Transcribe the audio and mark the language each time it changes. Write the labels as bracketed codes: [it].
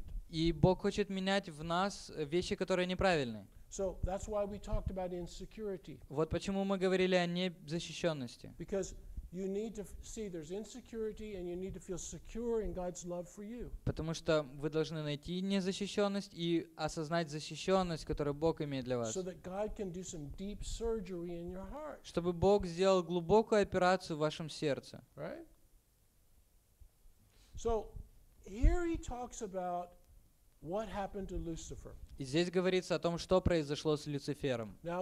[ru] И Бог хочет менять в нас вещи, которые неправильны. [en] So that's why we talked about insecurity. [ru] Вот почему мы говорили о незащищённости. [en] Because you need to see there's insecurity and you need to feel secure in God's love for you. [ru] Потому что вы должны найти незащищённость и осознать защищённость, которую Бог имеет для вас. [en] So that God can do some deep surgery in your heart. [ru] Чтобы Бог сделал глубокую операцию в вашем сердце. [en] Right? So here he talks about what happened to Lucifer. [ru] И здесь говорится о том, что произошло с Люцифером.